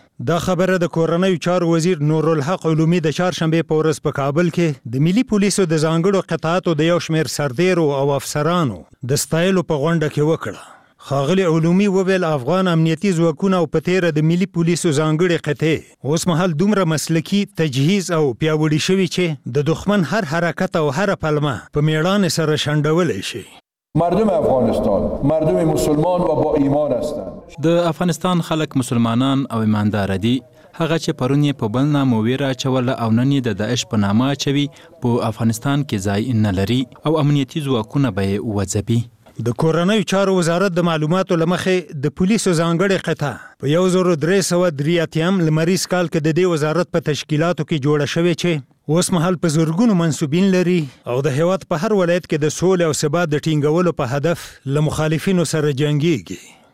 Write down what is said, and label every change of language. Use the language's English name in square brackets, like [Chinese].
[Pashto] دا خبره د کورنیو چارو وزیر نورالحق علومي د چهارشنبې په ورځ په کابل کې د ملي پولیسو د ځانګړو قطعاتو د یو شمېر سردیرو او افسرانو د ستایلو په غونډه کې وکړه. خاغلی علومی وویل افغان امنیتی ځواکونه او په تیره د ملي پولیسو ځانګړې قطعې اوس مهال دومره مسلکي تجهیز او پیاوړي شوي چې د دښمن هر حرکت او هر پلمه په میړانې سره شنډولی شي. [Persian] مردم افغانستان مردم مسلمان و با ایمان هستند. [Pashto] د افغانستان خلک مسلمانان او ایماندار دي. هغه چې پرون یې په بل نامه ویره اچوله او نن یې د داعش په نامه اچوي په افغانستان کې ځای نه لري او امنیتي ځواکونه به یې وځبي. د کورنیو چارو وزارت د معلوماتو لمخې د پولیسو ځانګړې قطعه په 1303 لمریز کال کې د دې وزارت په تشکیلاتو کې جوړه شوې چې اوس مهال په زرګونو منصوبین لري او د هیواد په هر ولایت کې د سولې او ثبات د ټینګولو په هدف له مخالفینو سره جنګیږي.